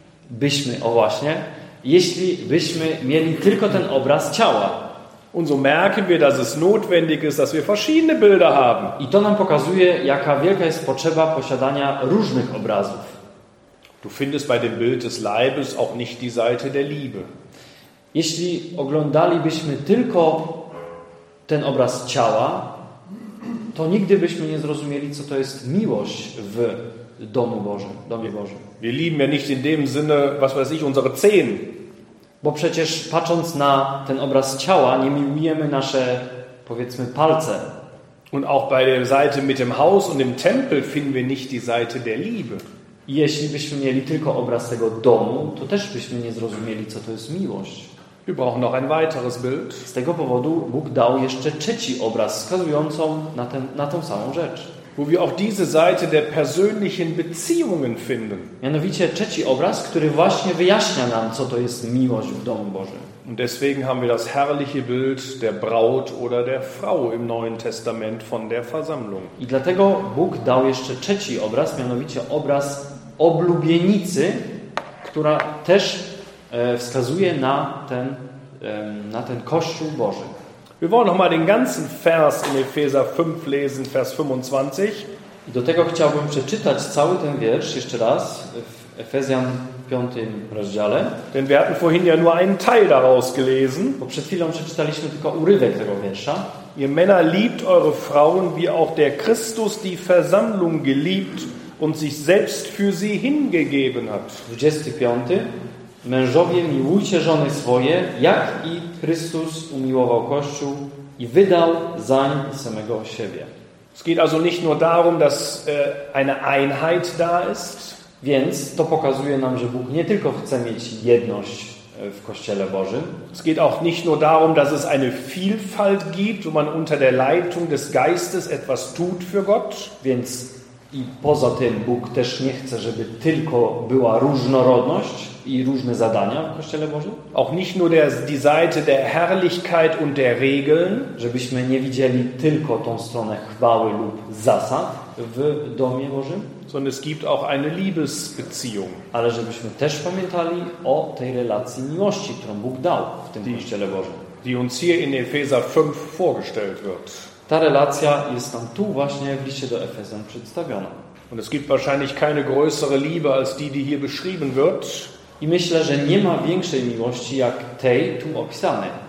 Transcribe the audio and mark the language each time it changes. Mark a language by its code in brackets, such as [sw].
[pl] Byśmy, o właśnie, jeśli byśmy mieli tylko ten obraz ciała. [de] Und so merken wir, dass es notwendig ist, dass wir verschiedene Bilder haben. [pl] I to nam pokazuje, jaka wielka jest potrzeba posiadania różnych obrazów. [de] Du findest bei dem Bild des Leibes auch nicht die Seite der Liebe. [pl] Jeśli oglądalibyśmy tylko ten obraz ciała, to nigdy byśmy nie zrozumieli, co to jest miłość w Domu Bożym, Domie Bożym. [de] Wir lieben ja nicht in dem Sinne, was weiß ich, unsere Zehen. [pl] Bo przecież patrząc na ten obraz ciała, nie miłujemy nasze, powiedzmy, palce. [de] Und auch bei der Seite mit dem Haus und dem Tempel finden wir nicht die Seite der Liebe. [pl] Jeśli byśmy mieli tylko obraz tego domu, to też byśmy nie zrozumieli, co to jest miłość. [de] Wir brauchen noch ein weiteres Bild. [pl] Z tego powodu Bóg dał jeszcze trzeci obraz, wskazującą na tę samą rzecz. [de] Wo wir auch diese Seite der persönlichen Beziehungen finden. [pl] Mianowicie trzeci obraz, który właśnie wyjaśnia nam, co to jest miłość w Domu Bożym. [de] Und deswegen haben wir das herrliche Bild der Braut oder der Frau im Neuen Testament von der Versammlung. [pl] I dlatego Bóg dał jeszcze trzeci obraz, mianowicie obraz oblubienicy, która też wskazuje na ten Kościół Boży. [de] Wir wollen noch mal den ganzen Vers in Epheser 5 lesen, Vers 25. [pl] I do tego chciałbym przeczytać cały ten wiersz jeszcze raz w Efezjan 5 rozdziale. [de] Denn wir hatten vorhin ja nur einen Teil daraus gelesen. [pl] Bo przed chwilą przeczytaliśmy tylko urywek tego wiersza. [de] Ihr Männer liebt eure Frauen, wie auch der Christus die Versammlung geliebt und sich selbst für sie hingegeben hat. 25. [pl] Mężowie, miłujcie żony swoje, jak i Chrystus umiłował Kościół i wydał zań samego siebie. [de] Es geht also nicht nur darum, dass eine Einheit da ist. [pl] Więc to pokazuje nam, że Bóg nie tylko chce mieć jedność w Kościele Bożym. [de] Es geht auch nicht nur darum, dass es eine Vielfalt gibt, wo man unter der Leitung des Geistes etwas tut für Gott. [pl] Więc i poza tym Bóg też nie chce, żeby tylko była różnorodność i różne zadania w Kościele Bożym. [de] Auch nicht nur die Seite der Herrlichkeit und der Regeln. [pl] Żebyśmy nie widzieli tylko tą stronę chwały lub zasad w Domie Bożym. [de] Sondern es gibt auch eine Liebesbeziehung. [pl] Ale żebyśmy też pamiętali o tej relacji miłości, którą Bóg dał w tym Kościele Bożym. [de] Die uns hier in Epheser 5 vorgestellt wird. [pl] Ta relacja jest nam tu właśnie w liście do Efezjan przedstawiona. [de] Und es gibt wahrscheinlich keine größere Liebe als die hier beschrieben wird. [pl] I myślę, że nie ma większej miłości jak tej tu opisanej.